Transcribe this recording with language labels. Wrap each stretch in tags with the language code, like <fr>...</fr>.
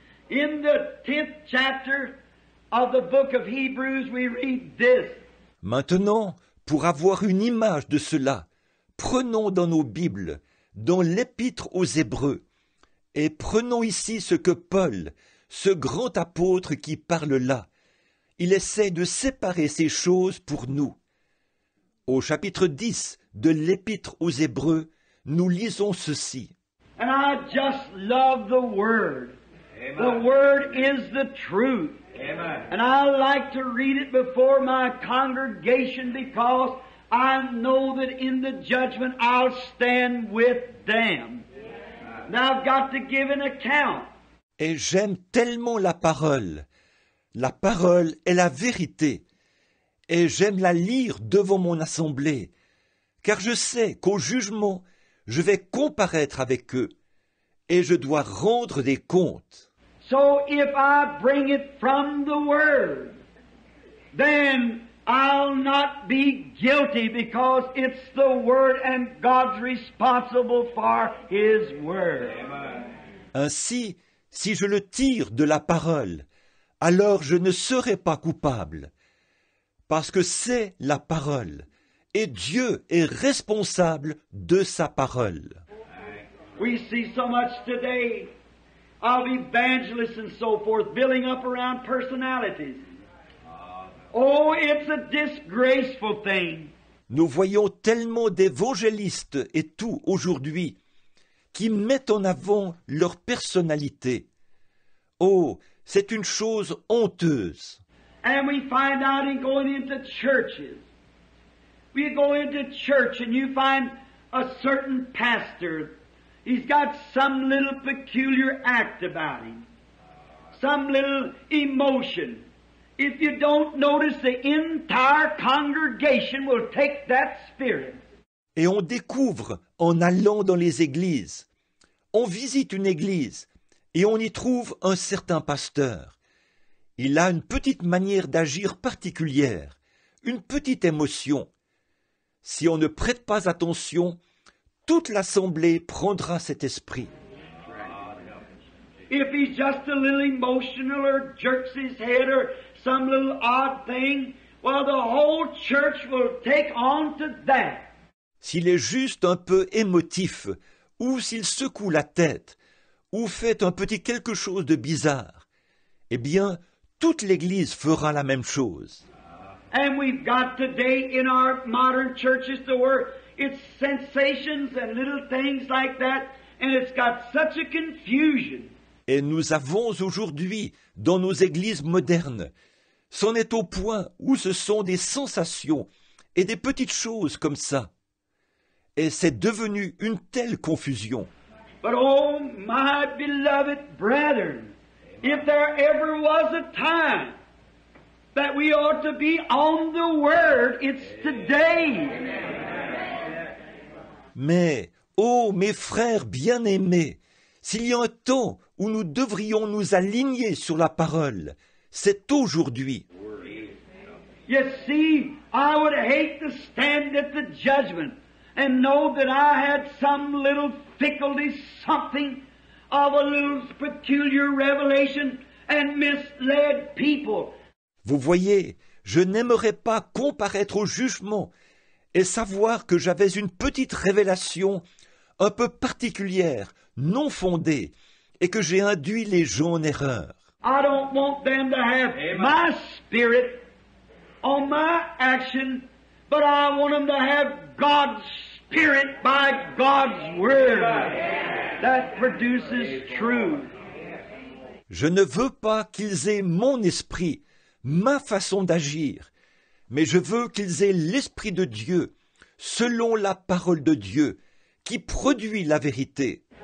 <en>In the 10th chapter of the book of Hebrews, we read this.</en> <fr>Maintenant, pour avoir une image de cela, prenons dans nos Bibles, dans l'Épître aux Hébreux, et prenons ici ce que Paul, ce grand apôtre qui parle là, il essaie de séparer ces choses pour nous. Au chapitre 10 de l'Épître aux Hébreux, nous lisons ceci.</fr> <en>And I just love the Word. Amen. The Word is the truth. Amen. And I like to read it before my congregation because I know that in the judgment I'll stand with them. Now I've got to give an account.</en> <fr>Et j'aime tellement la parole. La parole est la vérité. Et j'aime la lire devant mon assemblée. Car je sais qu'au jugement, je vais comparaître avec eux. Et je dois rendre des comptes.</fr> <en>So if I bring it from the Word, then I'll not be guilty because it's the Word and God's responsible for His Word. Amen.</en> <fr>Ainsi, si je le tire de la parole, alors je ne serai pas coupable, parce que c'est la parole, et Dieu est responsable de sa parole.</fr> <en>We see so much today of evangelists and so forth, building up around personalities. Oh, it's a disgraceful thing.</en> <fr>Nous voyons tellement d'évangélistes et tout aujourd'hui qui mettent en avant leur personnalité. Oh, c'est une chose honteuse.</fr> <en>And we find out in going into churches. We go into church and you find a certain pastor. He's got some little peculiar act about him, some little emotion. If you don't notice, the entire congregation will take that spirit.</en> <fr>Et on découvre, en allant dans les églises, on visite une église et on y trouve un certain pasteur. Il a une petite manière d'agir particulière, une petite émotion. Si on ne prête pas attention, toute l'assemblée prendra cet esprit.</fr> <en>If he's just a little emotional or jerks his head or some little odd thing, well, the whole church will take on to that.</en> <fr>S'il est juste un peu émotif, ou s'il secoue la tête, ou fait un petit quelque chose de bizarre, eh bien, toute l'église fera la même chose.</fr> <en>And we've got today in our modern churches the word. It's sensations and little things like that, and it's got such a confusion.</en> <fr>Et nous avons aujourd'hui, dans nos églises modernes, c'en est au point où ce sont des sensations et des petites choses comme ça. Et c'est devenu une telle confusion.</fr> <en>But oh, my beloved brethren, if there ever was a time that we ought to be on the Word, it's today.</en> <fr>Mais, oh, mes frères bien-aimés, s'il y a un temps où nous devrions nous aligner sur la parole, c'est aujourd'hui.</fr> <en>You see, I would hate to stand at the judgment and know that I had some little fickle something of a little peculiar revelation and misled people.</en> <fr>Vous voyez, je n'aimerais pas comparaître au jugement et savoir que j'avais une petite révélation un peu particulière, non fondée, et que j'ai induit les gens en erreur.</fr> <en>I don't want them to have my spirit on my action, but I want them to have God's spirit by God's word that produces truth.</en> <fr>Je ne veux pas qu'ils aient mon esprit, ma façon d'agir, mais je veux qu'ils aient l'Esprit de Dieu, selon la parole de Dieu, qui produit la vérité.</fr>